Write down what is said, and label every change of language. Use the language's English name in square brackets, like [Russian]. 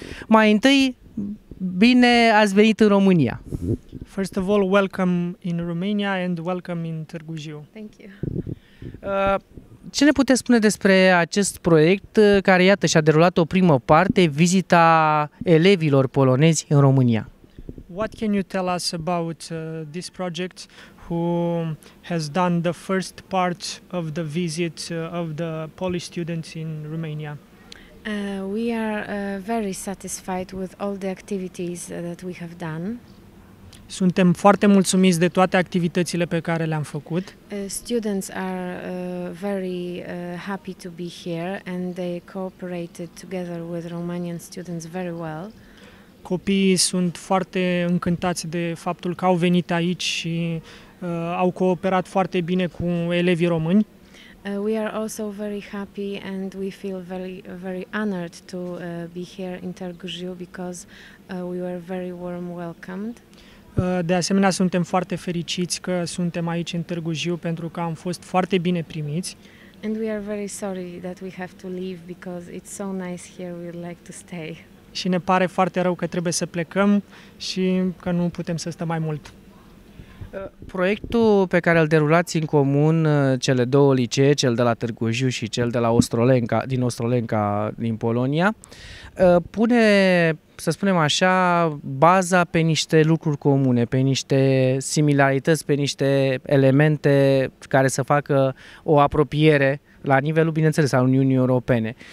[Romanian] Mai întâi, bine ați venit în România. [English] First of all, welcome in Romania and welcome in Târgu Jiu. Thank you. [Romanian] Ce ne puteți spune despre acest proiect care, iată, și-a derulat o primă parte, vizita elevilor polonezi în România? [English] What can you tell us about this project who has done the first part of the visit of the Polish students in Romania? We are very satisfied with all the activities that we have done. [Romanian] Suntem foarte mulțumiți de toate activitățile pe care le-am făcut. [English] Students are very happy to be here and they cooperated together with Romanian students very well. [Romanian] Copiii sunt foarte încântați de faptul că au venit aici și au cooperat foarte bine cu elevii români. [English] We are also very happy and we feel very very honored to be here in Târgu Jiu because we were very warm welcomed. [Romanian] De asemenea, suntem foarte fericiți că suntem aici în Târgu Jiu pentru că am fost foarte bine primiți. [English] And we are very sorry that we have to leave because it's so nice here, we'd like to stay. [Romanian] Și ne pare foarte rău că trebuie să plecăm și că nu putem să stăm mai mult. Proiectul pe care îl derulați în comun cele două licee, cel de la Târgu Jiu și cel de la Ostrolenca, din Ostrolenca, din Polonia, pune, să spunem așa, baza pe niște lucruri comune, pe niște similarități, pe niște elemente care să facă o apropiere la nivelul, bineînțeles, al Uniunii Europene.